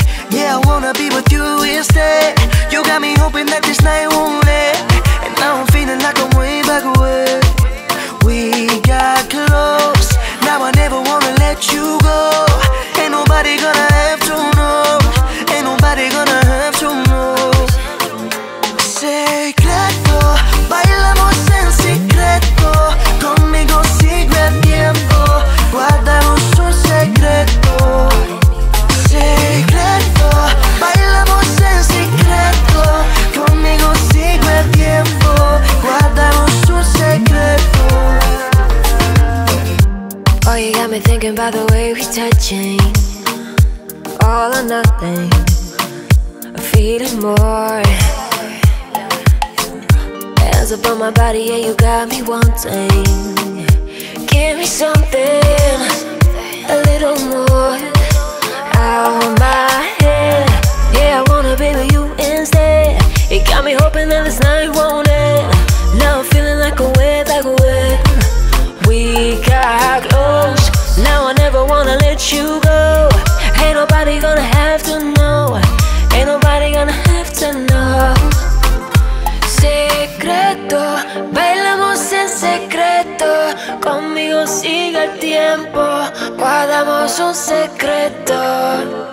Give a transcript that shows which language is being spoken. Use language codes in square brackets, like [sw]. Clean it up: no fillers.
[en] Yeah, I wanna be with you instead. You got me hoping that this night won't end. And now I'm feeling like I'm way back when we got close. Now I never wanna let you go. Ain't nobody gonna have to know. Ain't nobody gonna have to know. [es] Secreto, bailamos en secreto. Conmigo sigue el tiempo. Guardamos un secreto. Secreto, bailamos en secreto. Conmigo sigue el tiempo. Guardamos un secreto. [en] Oh, you got me thinking by the way we touching. All or nothing. I'm feeling more. Hands up on my body, yeah, you got me wanting. Give me something, a little more. Out of my head. Yeah, I wanna be with you instead. It got me hoping that this night won't end. Now I'm feeling like a way back when we got close. Now I never wanna let you go. Ain't nobody gonna have to know. Ain't nobody gonna have to know. [es] Secreto, bailamos en secreto. Conmigo sigue el tiempo. Guardamos un secreto.